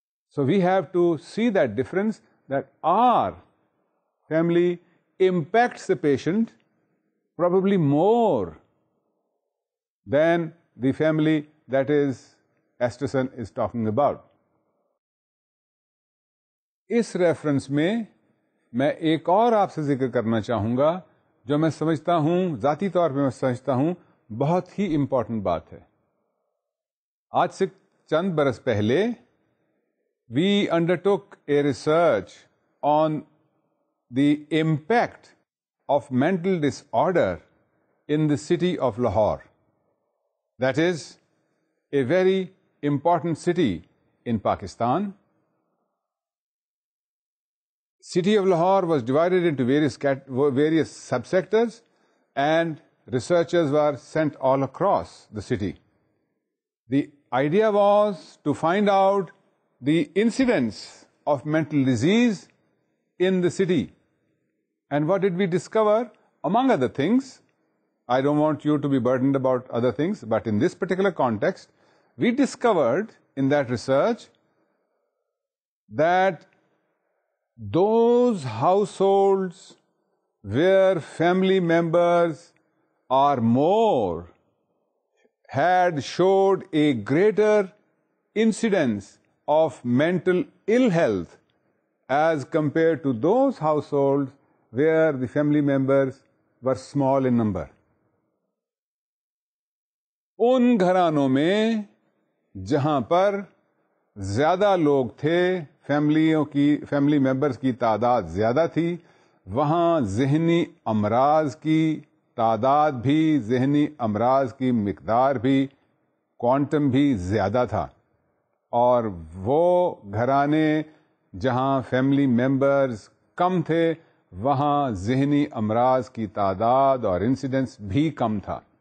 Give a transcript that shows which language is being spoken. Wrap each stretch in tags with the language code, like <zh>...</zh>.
<en>So, we have to see that difference, that our family impacts the patient probably more than the family that is Esterson is talking about.</en> <ur>Is reference mein, main ek aur aap se zikr karna chahunga, جو میں سمجھتا ہوں ذاتی طور پہ میں سمجھتا ہوں بہت ہی امپورٹنٹ بات ہے</ur> <en>آج سے چند برس پہلے we undertook a research on the impact of mental disorder in the city of Lahore that is a very important city in Pakistan City of Lahore was divided into various subsectors and researchers were sent all across the city. The idea was to find out the incidence of mental disease in the city. And what did we discover? Among other things, I don't want you to be burdened about other things, but in this particular context, we discovered in that research that those households where family members are more had showed a greater incidence of mental ill health as compared to those households where the family members were small in number.</en> <ur>Un gharanon mein jahan par zyada log the, family members کی تعداد زیادہ تھی وہاں ذہنی امراض کی تعداد بھی ذہنی امراض کی مقدار بھی کوانٹم بھی زیادہ تھا اور وہ گھرانے جہاں فیملی ممبرز کم تھے وہاں ذہنی امراض کی تعداد اور انسیڈنس بھی کم تھا</ur>